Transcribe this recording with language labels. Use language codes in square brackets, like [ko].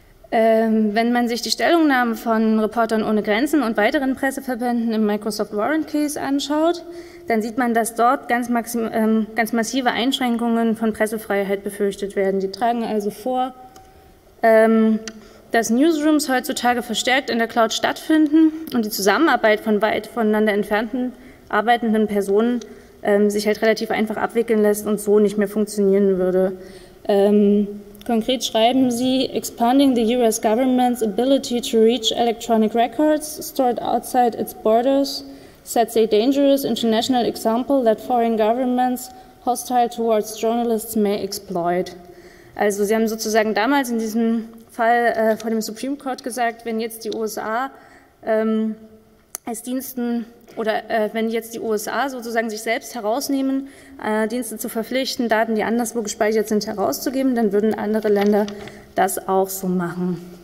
[de] Wenn man sich die Stellungnahmen von Reportern ohne Grenzen und weiteren Presseverbänden im Microsoft Warren Case anschaut, dann sieht man, dass dort ganz massive Einschränkungen von Pressefreiheit befürchtet werden. Die tragen also vor, dass Newsrooms heutzutage verstärkt in der Cloud stattfinden und die Zusammenarbeit von weit voneinander entfernten arbeitenden Personen sich halt relativ einfach abwickeln lässt und so nicht mehr funktionieren würde. Konkret schreiben sie, [en] expanding the US government's ability to reach electronic records stored outside its borders sets a dangerous international example that foreign governments hostile towards journalists may exploit. [de] Also sie haben sozusagen damals in diesem Fall vor dem Supreme Court gesagt, wenn jetzt die USA als Diensten oder wenn jetzt die USA sozusagen sich selbst herausnehmen, Dienste zu verpflichten, Daten, die anderswo gespeichert sind, herauszugeben, dann würden andere Länder das auch so machen.